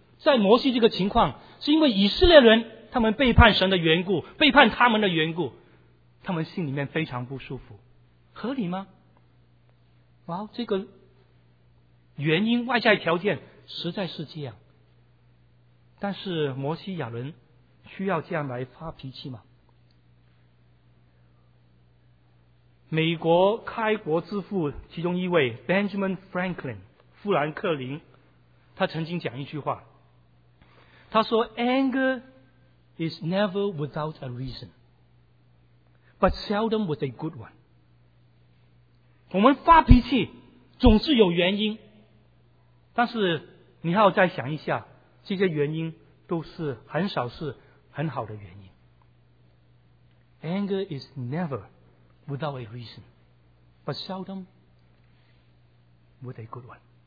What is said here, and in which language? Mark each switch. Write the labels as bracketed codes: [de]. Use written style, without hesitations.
[zh] 在摩西这个情况，是因为以色列人他们背叛神的缘故，背叛他们的缘故，他们心里面非常不舒服，合理吗？哇，这个原因外在条件实在是这样。但是摩西亚伦需要这样来发脾气吗？美国开国之父其中一位 Benjamin Franklin 富兰克林，他曾经讲一句话，他说 [en] Anger is never without a reason but seldom with a good one。 [zh] 我们发脾气总是有原因，但是你要再想一下，这些原因都是很少是很好的原因。 [en] Anger is never without a reason but seldom with a good one。